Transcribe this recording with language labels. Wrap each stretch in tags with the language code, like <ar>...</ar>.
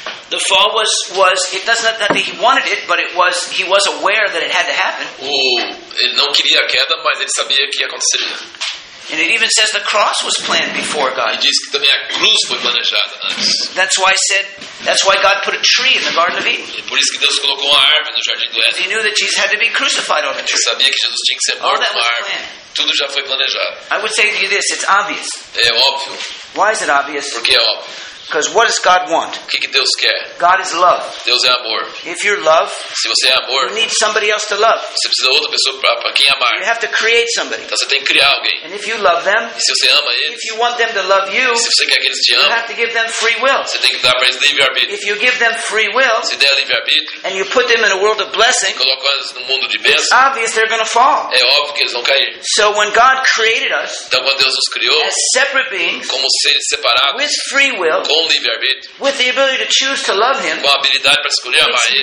<en>The fall was it doesn't that he wanted it, but it was he was aware that it had to happen.</en> <pt>Ele não queria a queda, mas ele sabia que ia acontecer.</pt> <en>And it even says the cross was planned before God.</en> <pt>E diz que também a cruz foi planejada antes.</pt> <en>That's why God put a tree in the Garden of Eden.</en> <pt>E por isso que Deus colocou uma árvore no Jardim do Éden.</pt> <en>He knew that Jesus had to be crucified on a tree.</en> <pt>Ele sabia que Jesus tinha que ser morto numa árvore. Tudo já foi planejado.</pt> <en>I would say to you this, it's obvious.</en> <pt>É óbvio.</pt> <en>Why is it obvious?</en> <pt>Porque é óbvio.</pt> <en>Because what does God want?</en> <pt>Que Deus quer?</pt> <en>God is love.</en> <pt>Deus é amor.</pt> <en>If you're love,</en> <pt>se você é amor,</pt> <en>you need somebody else to love.</en> <pt>Você precisa de outra pessoa para quem amar.</pt> <en>You have to create somebody.</en> <pt>Então você tem que criar alguém.</pt> <en>And if you love them,</en> <pt>e se você ama eles,</pt> <en>if you want them to love you,</en> <pt>se você quer que eles te</pt> <en>you</en> <pt>amem,</pt> <en>have to give them free will.</en> <pt>Você tem que dar para eles livre-arbítrio.</pt> <en>If you give them free will,</en> <pt>se der livre-arbítrio,</pt> <en>and you put them in a world of blessing,</en> <pt>se coloca eles no mundo de bênção,</pt> <en>it's obvious they're going to fall.</en> <pt>É óbvio que eles vão cair.</pt> <en>So when God created us,</en> <pt>então quando Deus nos criou,</pt> <en>as separate beings,</en> <pt>como seres separados,</pt> <en>with free will,</en> <pt>com livre-arbítrio,</pt> <en>with the ability to choose to love him,</en> <pt>com a habilidade para escolher amar ele,</pt>